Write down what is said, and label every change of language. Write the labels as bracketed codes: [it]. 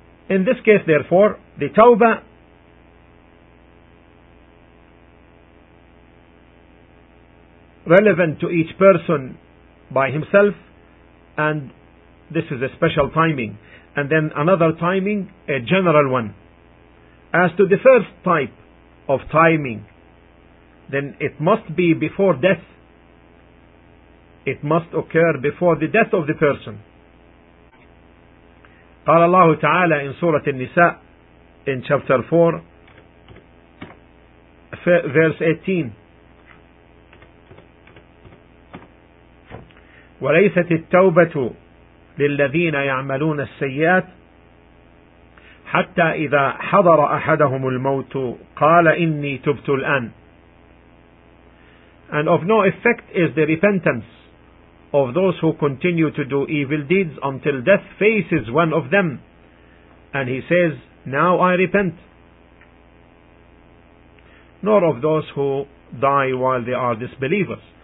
[en] In this case, therefore, the tawbah relevant to each person by himself, and this is a special timing, and then another timing, a general one. As to the first type of timing, then it must be before death. It must occur before the death of the person. [ar] قال الله تعالى [en] in Surah An-Nisa in chapter 4 verse 18 [ar] وليست التوبة للذين يعملون السيئات حتى إذا حضر أحدهم الموت قال إني تبت الآن. [en] And of no effect is the repentance of those who continue to do evil deeds until death faces one of them, and he says, now I repent. Nor of those who die while they are disbelievers.